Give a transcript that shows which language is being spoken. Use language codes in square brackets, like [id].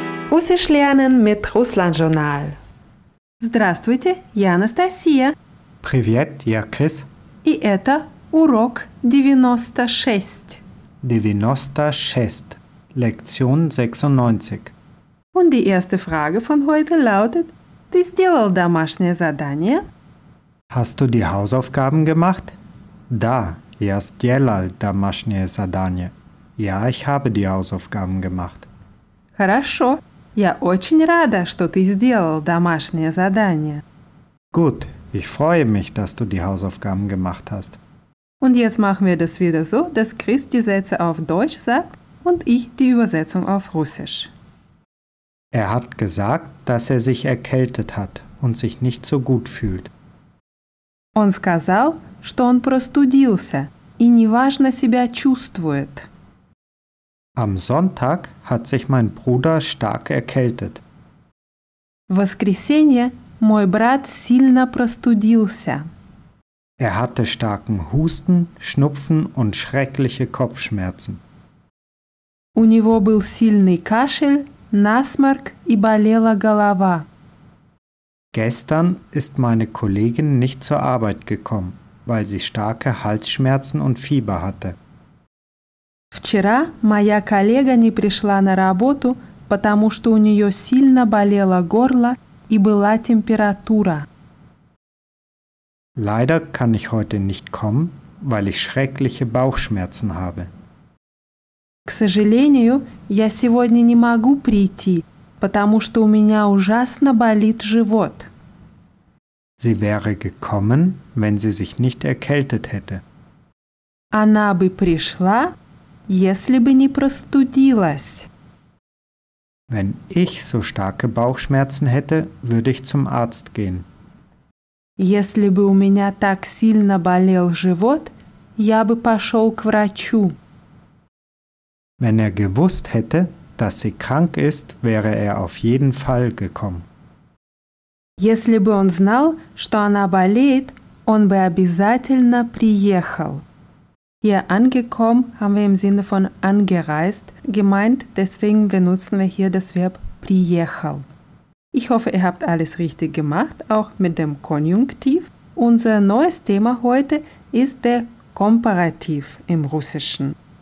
[de] Russisch lernen mit Russland-Journal. [ru] Здравствуйте, я Анастасия. Привет, я Крис. И это урок 96. [de] 96, Lektion 96. Und die erste Frage von heute lautet: [ru] Ты сделал домашнее задание? [de] Hast du die Hausaufgaben gemacht? [ru] Да, я сделал домашнее задание. [de] Ja, ich habe die Hausaufgaben gemacht. [ru] Хорошо. Я очень рада, что ты сделал домашнее задание. [de] Gut, ich freue mich, dass du die Hausaufgaben gemacht hast. Und jetzt machen wir das wieder so, dass Chris die Sätze auf Deutsch sagt und ich die Übersetzung auf Russisch. Er hat gesagt, dass er sich erkältet hat und sich nicht so gut fühlt. [ru] Он сказал, что он простудился и неважно себя чувствует. [de] Am Sonntag hat sich mein Bruder stark erkältet. [ru] В воскресенье мой брат сильно простудился. [de] Er hatte starken Husten, Schnupfen und schreckliche Kopfschmerzen. [ru] У него был сильный кашель, насморк и болела голова. [de] Gestern ist meine Kollegin nicht zur Arbeit gekommen, weil sie starke Halsschmerzen und Fieber hatte. [ru] Вчера моя коллега не пришла на работу, потому что у нее сильно болело горло и была температура. [de] Leider kann ich heute nicht kommen, weil ich schreckliche Bauchschmerzen habe. [ru] К сожалению, я сегодня не могу прийти, потому что у меня ужасно болит живот. [de] Sie wäre gekommen, wenn sie sich nicht erkältet hätte. [ru] Она бы пришла, если бы не простудилась. [de] Wenn ich so starke Bauchschmerzen hätte, würde ich zum Arzt gehen. [ru] Если бы у меня так сильно болел живот, я бы пошел к врачу. [de] Wenn er gewusst hätte, dass sie krank ist, wäre er auf jeden Fall gekommen. [ru] Если бы он знал, что она болеет, он бы обязательно приехал. [de] Hier angekommen haben wir im Sinne von angereist gemeint, deswegen benutzen wir hier das Verb приехал. Ich hoffe, ihr habt alles richtig gemacht, auch mit dem Konjunktiv. Unser neues Thema heute ist der Komparativ im Russischen.